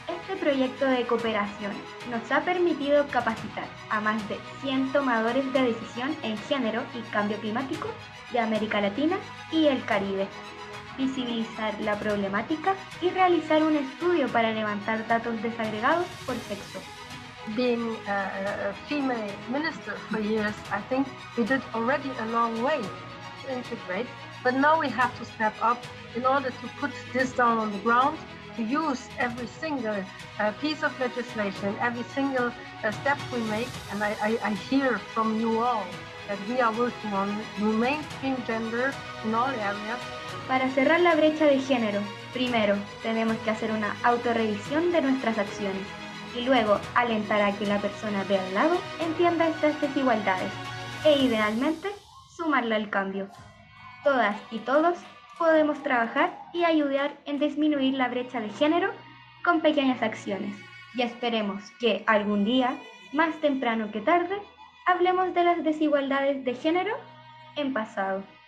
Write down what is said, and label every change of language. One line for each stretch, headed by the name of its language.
Spanish: Este proyecto de cooperación nos ha permitido capacitar a más de 100 tomadores de decisión en género y cambio climático de América Latina y el Caribe, visibilizar la problemática y realizar un estudio para levantar datos desagregados por sexo.
English: Being a female minister for years, I think we did already a long way to integrate, but now we have to step up in order to put this down on the ground, to use every single piece of legislation, every single step we make, and I hear from you all that we are working on mainstream gender in all areas.
Spanish: Para cerrar la brecha de género, primero tenemos que hacer una autorrevisión de nuestras acciones y luego alentar a que la persona de al lado entienda estas desigualdades e idealmente sumarla al cambio. Todas y todos podemos trabajar y ayudar en disminuir la brecha de género con pequeñas acciones y esperemos que algún día, más temprano que tarde, hablemos de las desigualdades de género en pasado.